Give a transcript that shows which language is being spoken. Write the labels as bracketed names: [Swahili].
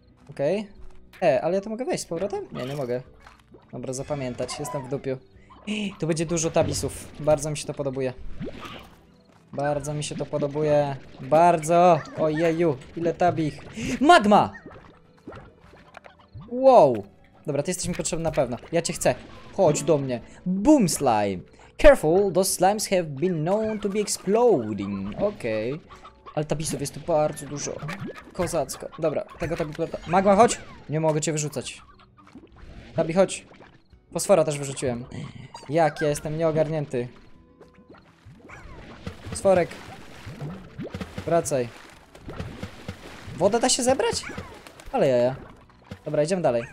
[Polish] Okej. Ale ja to mogę wejść z powrotem? Nie, nie mogę. Dobra, zapamiętać, jestem w dupiu. Tu będzie dużo tabisów. Bardzo mi się to podobuje. Bardzo mi się to podobuje. Bardzo! Ojeju, ile tabich. Magma! Wow! Dobra, ty jesteś mi potrzebny na pewno. Ja cię chcę. Chodź do mnie. Boom slime. [English] Careful, those slimes have been known to be exploding. [Polish] Okej. Okay. Ale tabisów jest tu bardzo dużo. Kozacko. Dobra, tego tabi... Magma, chodź! Nie mogę cię wyrzucać. Tabi, chodź. Fosfora też wyrzuciłem. Jak ja jestem nieogarnięty. Fosforek. Wracaj. Wodę da się zebrać? Ale jaja. Dobra, idziemy dalej.